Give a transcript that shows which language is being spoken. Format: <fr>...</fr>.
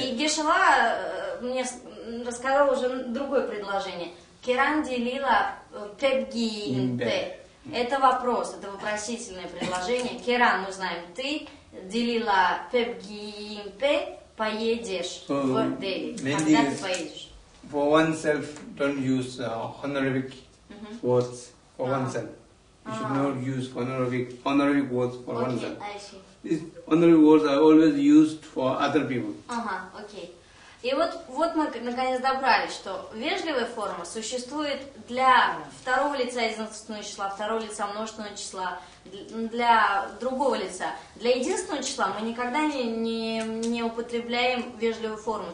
<ru>И Гешала мне рассказала уже другое предложение.</ru> <bo>Кран делила пепки имбе.</bo> <ru>Это вопрос, это вопросительное предложение. Керан, мы знаем, ты делила пепгиимпе, поедешь в Дели. Когда ты поедешь?</ru> <en>For oneself, don't use honorific words for oneself. You should not use honorific words for oneself. Okay, I see. These honorary words are always used for other people.</en> <ru>Ага, окей. И вот мы наконец добрались, что вежливая форма существует для второго лица единственного числа, второго лица множественного числа, для другого лица. Для единственного числа мы никогда не употребляем вежливую форму.</ru>